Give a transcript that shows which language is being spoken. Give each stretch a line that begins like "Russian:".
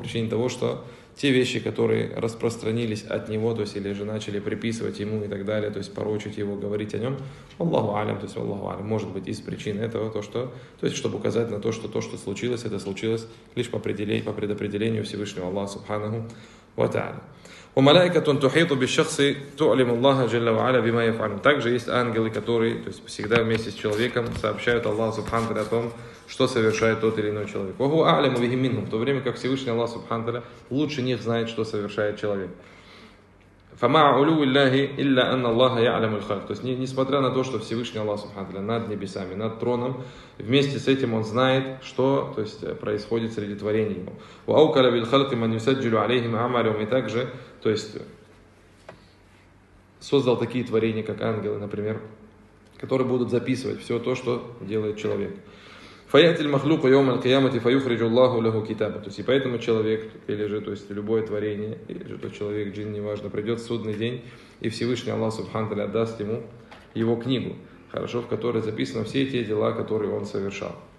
Russian: По причине того, что те вещи, которые распространились от него, то есть, или же начали приписывать ему и так далее, то есть, порочить его, говорить о нем, Аллаху Алям, то есть, Аллаху Алям, может быть, из причин этого, то, что, то есть, чтобы указать на то, что случилось, это случилось лишь по предопределению Всевышнего Аллаха Субханаху ва Тааля.
Arabic: وملائكة تحيط بالشخص تعلم الله جل وعلا بما يفعل.
Russian: Также есть ангелы, которые, то есть, всегда вместе с человеком сообщают Аллаху Субхану о том, что совершает тот или иной человек.
Arabic: وهو أعلم بهم منهم.
Russian: В то время как Всевышний Аллах Субхану лучше них знает, что совершает человек.
Arabic: فما علو الله إلا أن الله يعلم الخلق.
Russian: То есть несмотря на то, что Всевышний Аллах Субхану над небесами, над троном, вместе с этим он знает, что, то есть, происходит среди творений его.
Arabic: وأوكل بالخلق من يسجل عليهم أعمالهم.
Russian: И также, то есть, создал такие творения, как ангелы, например, которые будут записывать все то, что делает человек.
Arabic: فَيَأْتِ الْمَخْلُقُ يَوْمَ الْقِيَامَةِ فَيُخْرِجُ اللَّهُ لَهُ كِتَابًا.
Russian: То есть, и поэтому человек, или же, то есть, любое творение, или же тот человек, джинн, неважно, придет в судный день, и Всевышний Аллах Субхану Тааля отдаст ему его книгу, хорошо, в которой записаны все те дела, которые он совершал.